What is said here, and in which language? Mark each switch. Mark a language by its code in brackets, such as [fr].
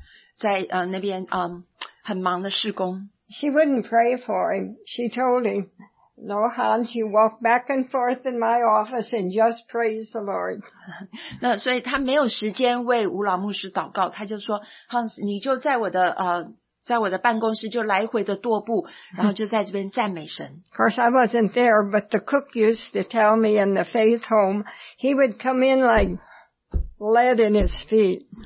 [zh] 当吴老牧师来访问他的时候，这个Mrs. Judd，她正在打字，很在那边很忙的施工。 [en] She wouldn't pray for him. She told him, "No, Hans, you walk back and forth in my office and just praise the Lord." [zh] 那所以他没有时间为吴老牧师祷告，他就说，Hans，你就在我的办公室就来回的踱步，然后就在这边赞美神。 [en] Of course, I wasn't there, but the cook used to tell me in the faith home, he would come in like lead in his feet.